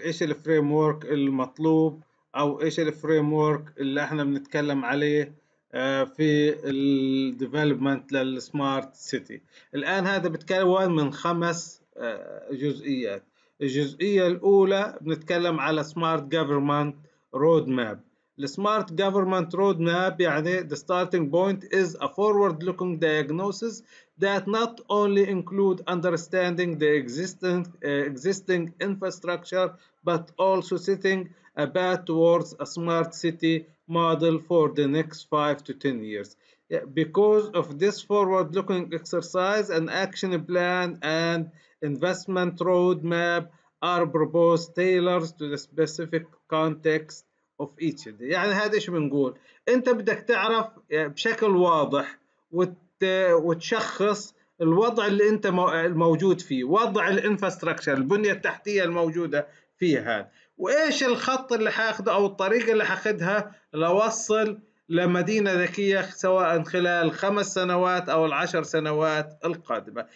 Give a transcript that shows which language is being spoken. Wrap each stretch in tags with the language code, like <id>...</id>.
<ar>ايش الفريم ورك المطلوب او ايش الفريم ورك اللي احنا بنتكلم عليه في الديفلوبمنت للسمارت سيتي؟ الآن هذا بتكون من 5 جزئيات. الجزئية الأولى بنتكلم على سمارت جوفرمنت رود ماب.</ar> <en>السمارت government road map يعني the starting point is a forward looking diagnosis that not only include understanding the existing infrastructure but also setting a path towards a smart city model for the next 5 to 10 years. Because of this forward looking exercise, an action plan and investment road map are proposed tailored to the specific context of each.</en> <ar>يعني هذا ايش بنقول؟ انت بدك تعرف بشكل واضح وتشخص الوضع اللي انت موجود فيه، وضع الانفراستراكشر، البنيه التحتيه الموجوده فيها، وايش الخط اللي حاخده او الطريقه اللي حاخدها لوصل لمدينه ذكيه سواء خلال 5 سنوات او 10 سنوات القادمه.</ar>